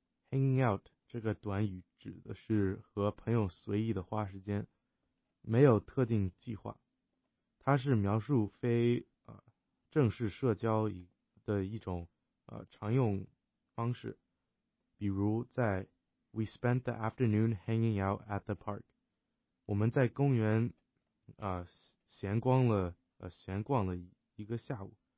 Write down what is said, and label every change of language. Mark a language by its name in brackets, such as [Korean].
[Chinese] Hanging out 这个短语指的是和朋友随意的花时间，没有特定计划。它是描述非正式社交的一种常用方式。比如在 [English] We spent the afternoon hanging out at the park. [Chinese] 我们在公园闲逛了一个下午。